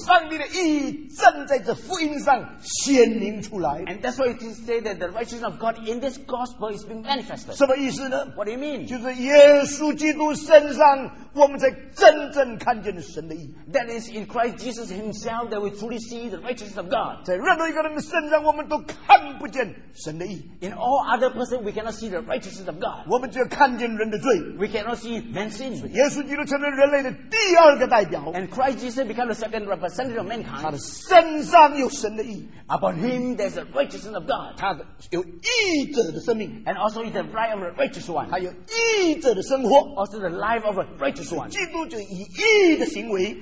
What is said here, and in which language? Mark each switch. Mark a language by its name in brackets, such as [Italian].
[English] And that's why it is said that the righteousness of God in this gospel is being manifested. [Chinese] 什么意思呢? [English] What do you mean? [Chinese] 就是耶稣基督身上, [English] that is in Christ Jesus himself that we truly see the righteousness of God. [Chinese] 在任何一个人的身上我们都看不见神的义。 [English] In all other persons we cannot see the righteousness of God. [Chinese] 我们只看见人的罪。 [English] We cannot see man's sin. [Chinese] 耶稣基督成了人类的第二个代表。 [English] And Christ Jesus became the second representative of mankind. [Chinese] 他的身上有神的义。 [English] Upon him there's the righteousness of God. [Chinese] 他有义者的生命。 [English] And also he's the right of a righteous one. [Chinese] 他有义者的生活。 [English] Also the life of a righteous one. [Chinese] 基督就以义的行为